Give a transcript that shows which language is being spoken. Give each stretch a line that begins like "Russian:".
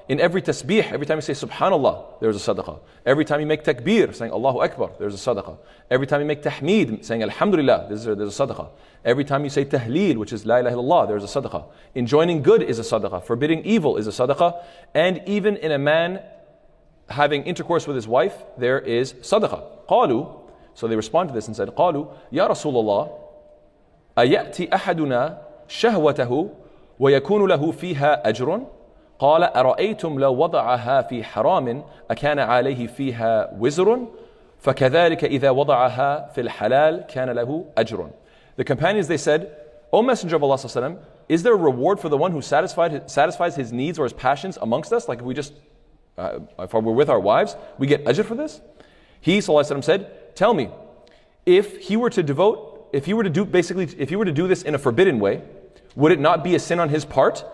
English: In every tasbih, every time you say subhanallah, there's a sadaqah. Every time you make takbir, saying Allahu Akbar, there's a sadaqah. Every time you make tahmeed, saying alhamdulillah, there's a sadaqah. Every time you say tahleel, which is la ilaha illallah, there's a sadaqah. Enjoining good is a sadaqah. Forbidding evil is a sadaqah. And even in a man having intercourse with his wife, there is sadaqah.
Arabic: Qalu,
English: so they respond to this and said,
Arabic: Qalu, Ya Rasulullah, أَيَأْتِ أَحَدُنَا شَهْوَتَهُ ويكون له فيها أجر قال أرأيتم لو وضعها في حرام أكان عليه فيها وزر فكذلك إذا وضعها في الحلال كان له أجر.
English: The companions, they said, O Messenger of Allah sallallahu alaihi wasallam, is there a reward for the one who satisfies his needs or his passions amongst us? Like if we're with our wives, we get ajr for this? He sallallahu alaihi wasallam said, tell me, if he were to do this in a forbidden way, would it not be a sin on his part?